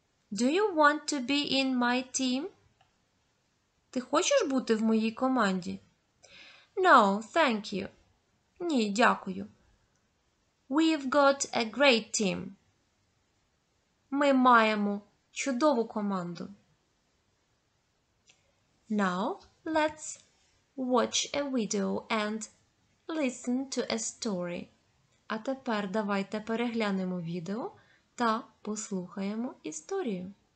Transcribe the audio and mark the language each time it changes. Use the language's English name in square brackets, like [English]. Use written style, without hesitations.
[English] Do you want to be in my team? [Ukrainian] Ти хочеш бути в моїй команді? [English] No, thank you. Ні, дякую. We've got a great team. [Ukrainian] Ми маємо чудову команду. [English] Now, let's watch a video and listen to a story. [Ukrainian] А тепер давайте переглянемо відео та послухаємо історію.